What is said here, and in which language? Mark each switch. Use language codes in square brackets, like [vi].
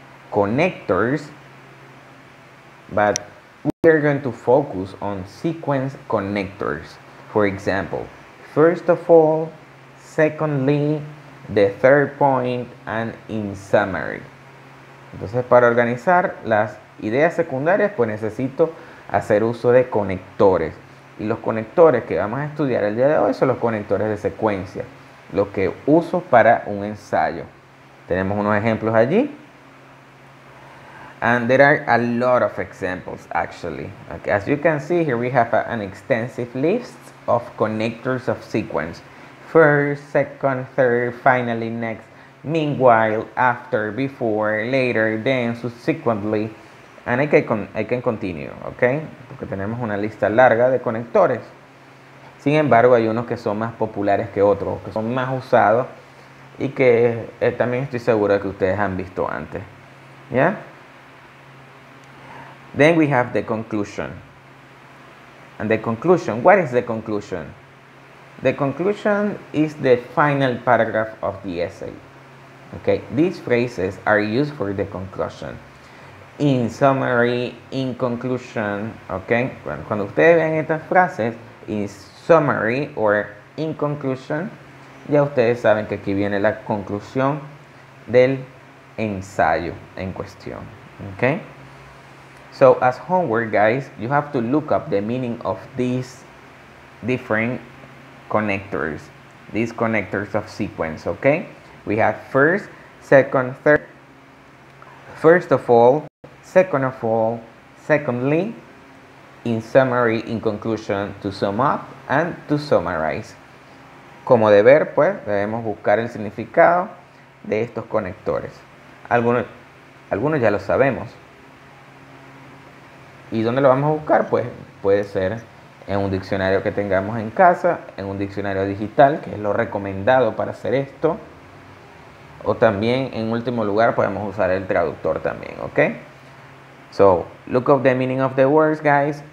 [en] Connectors, but we are going to focus on sequence connectors. For example, first of all, secondly, the third point, and in summary. [es] Entonces, para organizar las ideas secundarias, pues necesito hacer uso de conectores. Y los conectores que vamos a estudiar el día de hoy son los conectores de secuencia, los que uso para un ensayo. Tenemos unos ejemplos allí. [en] And there are a lot of examples, actually. Okay, as you can see, here we have an extensive list of connectors of sequence. First, second, third, finally, next, meanwhile, after, before, later, then, subsequently, and I can continue, okay? [es] Porque tenemos una lista larga de conectores. Sin embargo, hay unos que son más populares que otros, que son más usados y que también estoy seguro de que ustedes han visto antes. [en] Yeah? Then we have the conclusion. And the conclusion, what is the conclusion? The conclusion is the final paragraph of the essay. Okay, these phrases are used for the conclusion. In summary, in conclusion, okay? [es] Bueno, cuando ustedes vean estas frases, [en] in summary or in conclusion, [es] ya ustedes saben que aquí viene la conclusión del ensayo en cuestión. [en] Okay? So, as homework, guys, you have to look up the meaning of these different connectors, these connectors of sequence, okay? We have first, second, third, First of all, second of all, secondly, in summary, in conclusion, to sum up and to summarize. [es] Como deber, pues, debemos buscar el significado de estos conectores. Algunos ya lo sabemos. ¿Y dónde lo vamos a buscar? Pues puede ser en un diccionario que tengamos en casa, en un diccionario digital, que es lo recomendado para hacer esto. O también, en último lugar, podemos usar el traductor también, ¿ok? [en] So, look up the meaning of the words, guys.